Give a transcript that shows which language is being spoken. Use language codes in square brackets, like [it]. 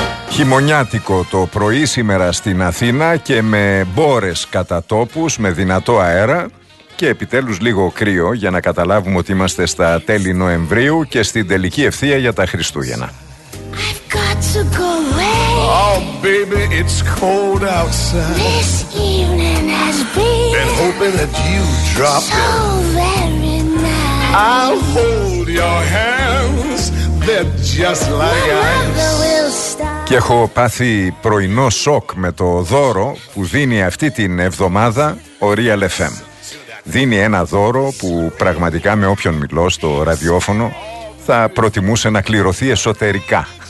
[el] Χειμωνιάτικο το πρωί σήμερα στην Αθήνα και με μπόρες κατά τόπους, με δυνατό αέρα και επιτέλους λίγο κρύο για να καταλάβουμε ότι είμαστε στα τέλη Νοεμβρίου και στην τελική ευθεία για τα Χριστούγεννα. [en] Oh baby, it's cold outside. This evening has been hoping that you drop so very nice. I'll hold your hands, they're just like ice. [el] Και έχω πάθει πρωινό σοκ με το δώρο που δίνει αυτή την εβδομάδα ο Real FM. Δίνει ένα δώρο που πραγματικά με όποιον μιλώ στο ραδιόφωνο θα προτιμούσε να κληρωθεί εσωτερικά.